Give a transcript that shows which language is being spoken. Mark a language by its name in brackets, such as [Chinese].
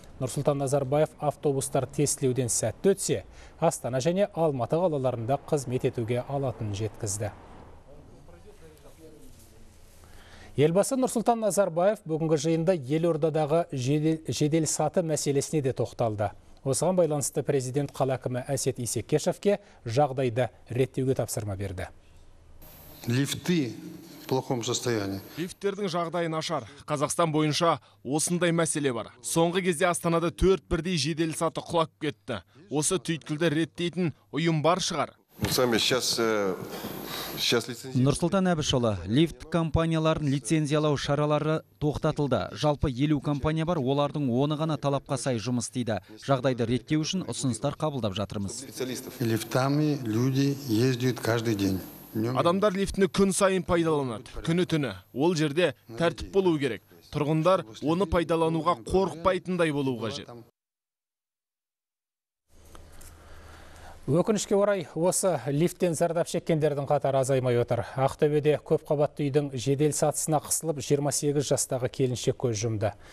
[Kazakh] Нұрсұлтан Назарбаев автобустар тестілеуден сәтті өтсе, Астана және Алматы қалаларында қызмет етуге алатынын жеткізді. Елбасы Нұрсұлтан Назарбаев бүгінгі жиында елордадағы жедел саты мәселесіне де тоқталды. Осыған байланысты президент қала әкімі Әсет Исекешевке жағдайды реттеуге тапсырма берді. [Russian] Лифты в плохом состоянии. [Kazakh] Лифттердің жағдайы нашар. Қазақстан бойынша осындай мәселе бар. Соңғы кезде Астанада 4 бірдей жедел саты құлап кетті. Осы түйткілді реттейтін ұйым бар шығар. Нұрсұлтан Әбішұлы, лифт компанияларын лицензиялау шаралары тоқтатылды. Жалпы 50 компания бар, олардың 10-ы ғана талапқа сай жұмыс істейді. Жағдайды реттеу үшін ұсыныстар қабылдап жатырмыз. [Russian] Лифтами люди ездят каждый день. [Kazakh] Адамдар лифтіні күн сайын пайдаланады, күні-түні. Ол жерде тәртіп болу керек. Тұрғындар оны пайдалануға қорықпайтындай болуы қажет. Өкінішке орай, осы лифттен зардап шеккендердің қатары азаймай отыр. Ақтөбеде көп қабатты үйдің жедел сатысына қысылып 28 жастағы келіншек көз жұмды.